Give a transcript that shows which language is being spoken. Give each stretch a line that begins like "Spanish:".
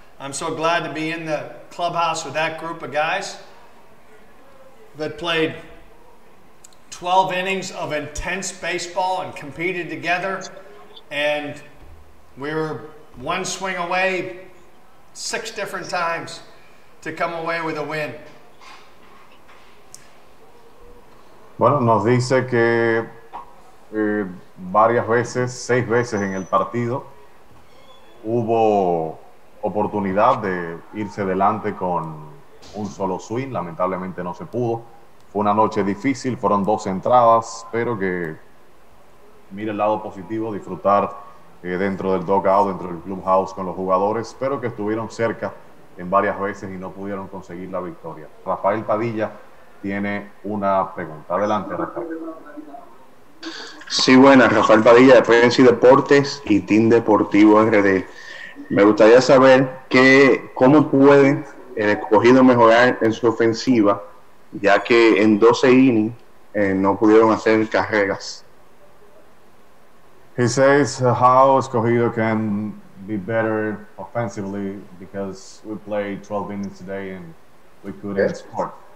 English: I'm so glad to be in the clubhouse with that group of guys that played 12 innings of intense baseball and competed together, and we were one swing away six different times to come away with a win.
Spanish: Bueno, nos dice que varias veces, seis veces en el partido, hubo oportunidad de irse adelante con un solo swing. Lamentablemente no se pudo. Fue una noche difícil, fueron dos entradas, pero que mire el lado positivo, disfrutar dentro del dugout, dentro del clubhouse con los jugadores, pero que estuvieron cerca en varias veces y no pudieron conseguir la victoria. Rafael Padilla tiene una pregunta. Adelante, Rafael. Sí, buenas. Rafael Padilla, de Frenzy Deportes y Team Deportivo RD. Me gustaría saber cómo puede el Escogido mejorar en su ofensiva, ya que en 12 innings no pudieron hacer carreras.
English: He says how Escogido can be better offensively because we played 12 innings today and we couldn't score.